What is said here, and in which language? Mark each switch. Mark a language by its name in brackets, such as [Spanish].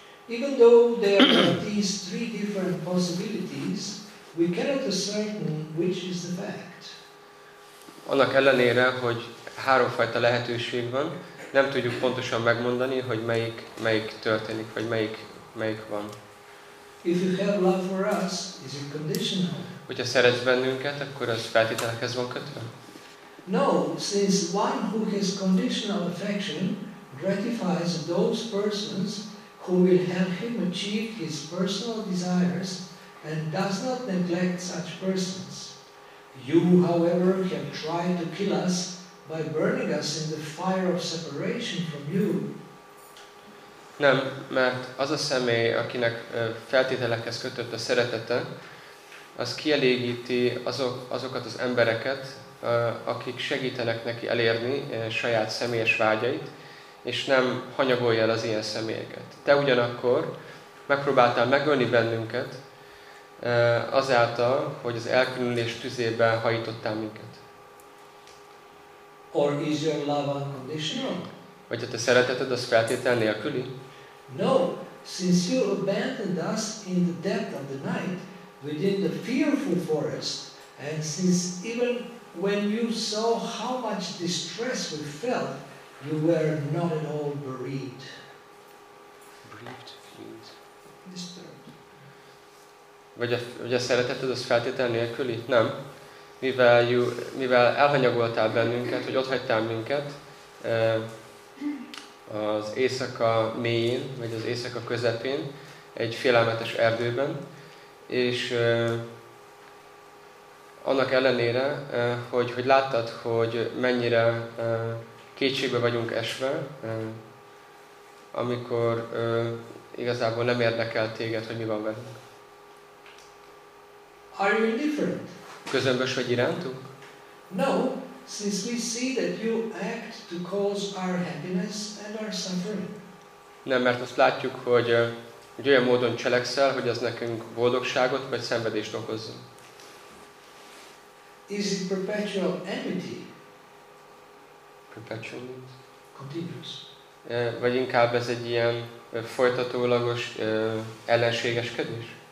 [English] Even though there are these three different possibilities, we cannot ascertain which is the fact. [Hungarian] Annak ellenére, hogy háromfajta lehetőség van, nem tudjuk pontosan megmondani, hogy melyik történik, vagy melyik van. [English] If you have love for us, is it conditional? [Hungarian] Hogyha szeretsz bennünket, akkor az feltételekhez van kötve? [English] No, since one who has conditional affection gratifies those persons who will help him achieve his personal desires and does not neglect such persons. You, however, have tried to kill us by burning us in the fire of separation from you. [Hungarian] Nem, mert az a személy, akinek feltételekhez kötött a szeretete, az kielégíti azokat az embereket, akik segítenek neki elérni saját személyes vágyait, és nem hanyagolja el az ilyen személyeket. Te ugyanakkor megpróbáltál megölni bennünket azáltal, hogy az elkülönülés tüzében hajítottál minket. [English] Or is your love unconditional? [Hungarian] Vagy a te szereteted az feltétel nélküli? [English] No, since you abandoned us in the depth of the night, within the fearful forest, and since even when you saw how much distress we felt, you were not at all bereaved. Bereaved means disturbed. [Hungarian] Vagy a szereteted az feltétel nélküli? Nem. Mivel elhanyagoltál bennünket, vagy ott hagytál minket, az éjszaka mélyén, vagy az éjszaka közepén, egy félelmetes erdőben, és annak ellenére, hogy láttad, hogy mennyire kétségbe vagyunk esve, amikor igazából nem érdekel téged, hogy mi van velünk. [English] Are you indifferent? [Hungarian] Közömbös vagy irántunk? [English] No. Since we see that you act to cause our happiness and our suffering. [Hungarian] Nem, mert azt látjuk, hogy olyan módon cselekszel, hogy az nekünk boldogságot vagy szenvedést okozzon. [English] Is it perpetual enmity? Perpetual means? Continuous. [Hungarian] Vagy inkább ez egy ilyen folytatólagos ellenségeskedés?